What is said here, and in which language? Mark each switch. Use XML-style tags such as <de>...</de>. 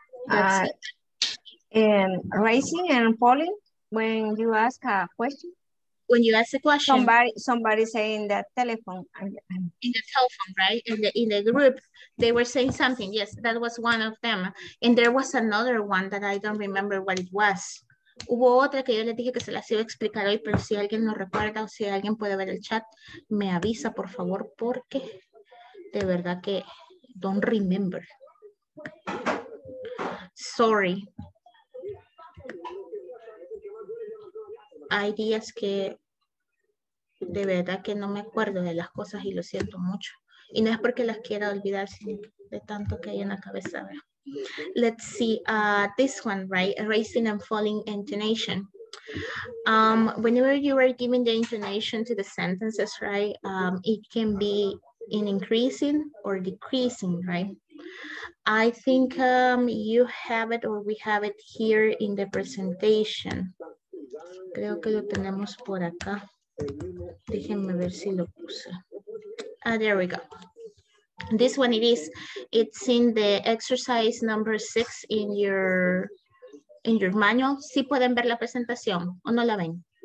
<en>Raising and polling, when you ask a question. When you ask a question, somebody say in the telephone. In the telephone, right? In the group, they were saying something. Yes, that was one of them. And there was another one that I don't remember what it was.</en> <es>Hubo otra que yo les dije que se las iba a explicar hoy, pero si alguien no recuerda o si alguien puede ver el chat, me avisa, por favor, porque de verdad que</es> <en>don't remember. Sorry.</en> <es>Hay días que de verdad que no me acuerdo de las cosas y lo siento mucho. Y no es porque las quiera olvidar, sino de tanto que hay en la cabeza.</es> <en>Let's see this one, right? Raising and falling intonation. Whenever you are giving the intonation to the sentences, right? It can be in increasing or decreasing, right? I think you have it or we have it here in the presentation.</en> <es>Creo que lo tenemos por acá. Déjenme ver si lo puse.</es> <en>Ah, there we go. This one it is. It's in the exercise number 6 in your manual.</en> <es>¿Sí pueden ver la presentación o no la ven?</es>